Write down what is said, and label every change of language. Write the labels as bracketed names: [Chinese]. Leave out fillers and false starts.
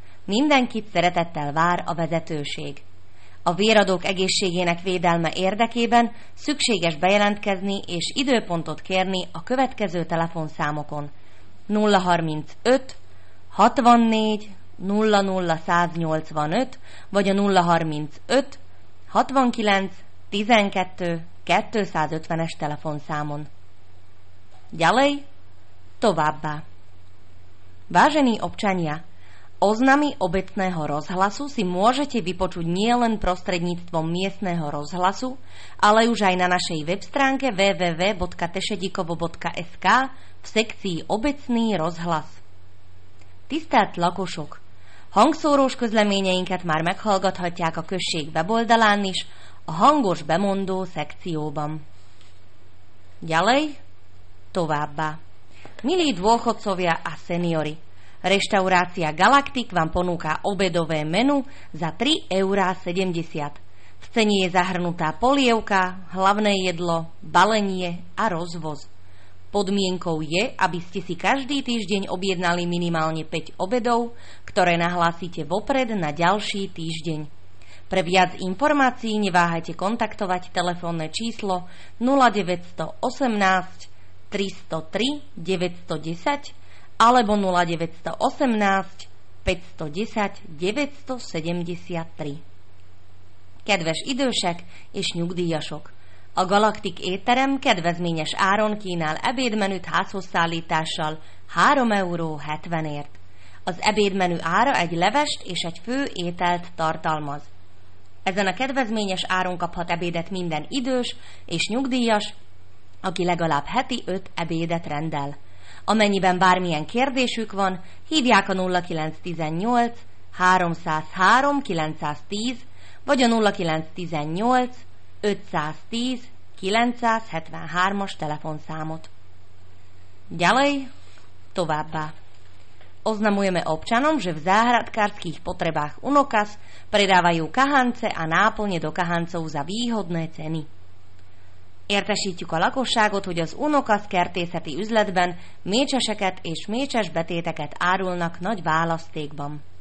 [Hungarian] Mindenkit szeretettel vár a vezetőség. A véradók egészségének védelme érdekében szükséges bejelentkezni és időpontot kérni a következő telefonszámokon: 035 64 00 185 vagy a 035 69 12 250-es telefonszámon. [Slovak] Ďalej, [Hungarian] továbbá. [Slovak] Vážení občania, oznamy obecného rozhlasu si môžete vypočuť nielen prostredníctvom miestneho rozhlasu, ale už aj na našej web stránke www.tešedikovo.sk v sekcii Obecný rozhlas. [Hungarian] Tisztelt lakosok! Hangszórós közleményeinket már meghallgathatják a község weboldalán is, a hangos bemondó szekcióban. [Slovak] Ďalej, [Hungarian] továbbá. [Slovak] Milí dôchodcovia a seniori, reštaurácia Galaktik vám ponúka obedové menu za 3,70 €. V cene je zahrnutá polievka, hlavné jedlo, balenie a rozvoz. Podmienkou je, aby ste si každý týždeň objednali minimálne 5 obedov, ktoré nahlásite vopred na ďalší týždeň. Pre viac informácií neváhajte kontaktovať telefónne číslo 0918 303 910 alebo 0918 510 973. [Hungarian] Kedves idősek és nyugdíjasok! A Galaktik étterem kedvezményes áron kínál ebédmenüt házhozszállítással 3,70 €. Az ebédmenü ára egy levest és egy fő ételt tartalmaz. Ezen a kedvezményes áron kaphat ebédet minden idős és nyugdíjas, aki legalább heti 5 ebédet rendel. Amennyiben bármilyen kérdésük van, hívják a 0918 303 910 vagy a 0918 510 973-as telefonszámot. [Slovak] Ďalej, [Hungarian] továbbá. [Slovak] Oznamujeme občanom, že v záhradkárskych potrebách Unokas predávajú kahance a náplne do kahancov za výhodné ceny. [Hungarian] Értesítjük a lakosságot, hogy az Unokas kertészeti üzletben mécseseket és mécses betéteket árulnak nagy választékban.